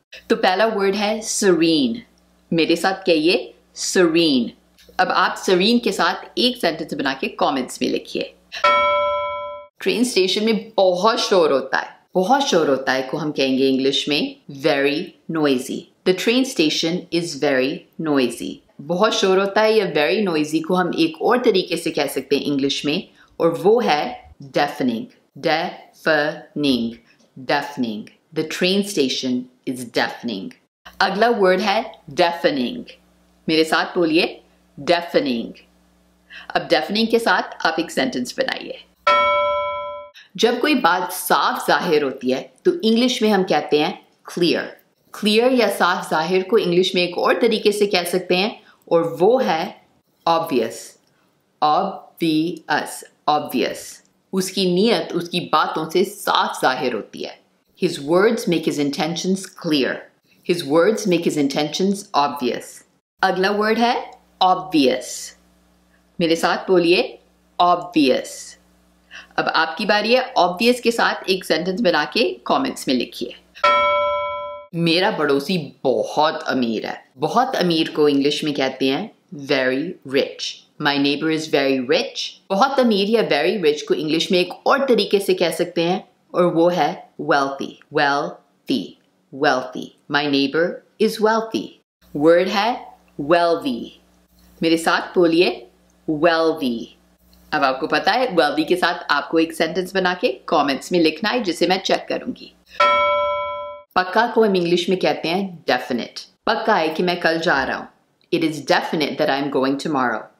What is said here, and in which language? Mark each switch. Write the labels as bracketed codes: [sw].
[hi] तो पहला word है serene. मेरे साथ कहिए serene. अब आप serene के साथ एक sentence बना के comments में लिखिए. Train station में बहुत शोर होता है. बहुत शोर होता है को हम कहेंगे इंग्लिश में very noisy. [en] The train station is very noisy. [hi] बहुत शोर होता है या very noisy को हम एक और तरीके से कह सकते हैं इंग्लिश में और वो है deafening. [en] Deafening. Deafening. The train station is deafening. [hi] अगला word है deafening. मेरे साथ बोलिए deafening. अब deafening के साथ आप एक sentence बनाइए. जब कोई बात साफ जाहिर होती है तो इंग्लिश में हम कहते हैं clear. Clear या साफ जाहिर को इंग्लिश में एक और तरीके से कह सकते हैं और वो है obvious. [en] Obvious. Obvious. [hi] उसकी नियत उसकी बातों से साफ जाहिर होती है. [en] His words make his intentions clear. His words make his intentions obvious. [hi] अगला word है obvious. मेरे साथ बोलिए obvious. अब आपकी बारी है obvious के साथ एक sentence बना के comments में लिखिए. मेरा पड़ोसी बहुत अमीर है. बहुत अमीर को इंग्लिश में कहते हैं very rich. [en] My neighbor is very rich. [hi] बहुत अमीर या very rich को इंग्लिश में एक और तरीके से कह सकते हैं और वो है wealthy. [en] Wealthy. Wealthy. My neighbor is wealthy. [hi] Word है wealthy. मेरे साथ बोलिए wealthy. अब आपको पता है wealthy के साथ आपको एक सेंटेंस बना के कॉमेंट्स में लिखना है जिसे मैं चेक करूंगी. पक्का को हम इंग्लिश में कहते हैं डेफिनेट. पक्का है कि मैं कल जा रहा हूँ. [en] It is definite that I am going tomorrow.